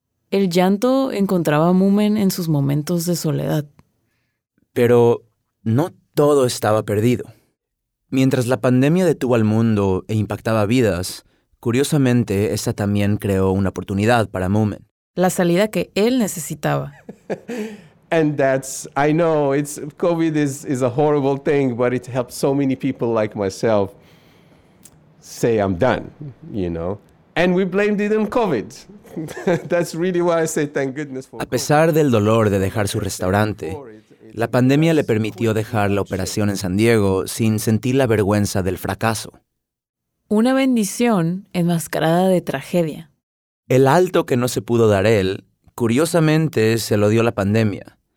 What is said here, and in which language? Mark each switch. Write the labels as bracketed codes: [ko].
[es] El llanto encontraba a Moomin en sus momentos de soledad. Pero no todo estaba perdido. Mientras la pandemia detuvo al mundo e impactaba vidas, curiosamente, esta también creó una oportunidad para Moomin. La salida que él necesitaba. [en] And that's, I know, it's COVID is a horrible thing, but it helped so many people like myself say I'm done, you know. And we blamed it on COVID. That's really why I say thank goodness for COVID. [es] A pesar del dolor de dejar su restaurante, la pandemia le permitió dejar la operación en San Diego sin sentir la vergüenza del fracaso. Una bendición enmascarada de tragedia. El alto que no se pudo dar él, curiosamente, se lo dio la pandemia.